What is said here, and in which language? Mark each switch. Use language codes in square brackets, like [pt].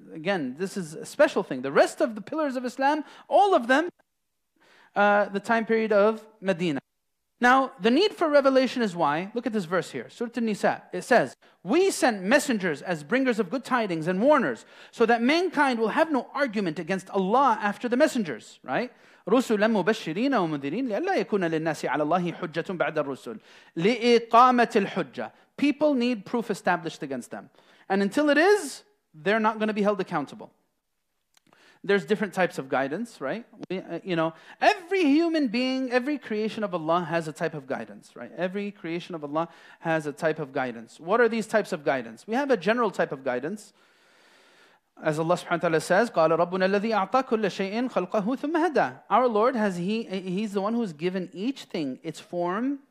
[en] Again, this is a special thing. The rest of the pillars of Islam, all of them, the time period of Medina. Now, the need for revelation is why? Look at this verse here, Surah An-Nisa. It says, we sent messengers as bringers of good tidings and warners so that mankind will have no argument against Allah after the messengers, right? [ar] رُسُلًا مُبَشِّرِينَ وَمُنذِرِينَ لِأَلَّا يَكُونَ لِلنَّاسِ عَلَى اللَّهِ حُجَّةٌ بَعْدَ الرُّسُلِ لِإِقَامَةِ الْحُجَّةِ [en] People need proof established against them. And until it is, they're not going to be held accountable. There's different types of guidance, right? Every human being, every creation of Allah has a type of guidance, right? Every creation of Allah has a type of guidance. What are these types of guidance? We have a general type of guidance. As Allah subhanahu wa ta'ala says, [ar] قَالَ رَبُّنَا الَّذِي أَعْطَى كُلَّ شَيْءٍ خَلْقَهُ ثُمَّ هَدَى [en] Our Lord, He's the one who's given each thing its form.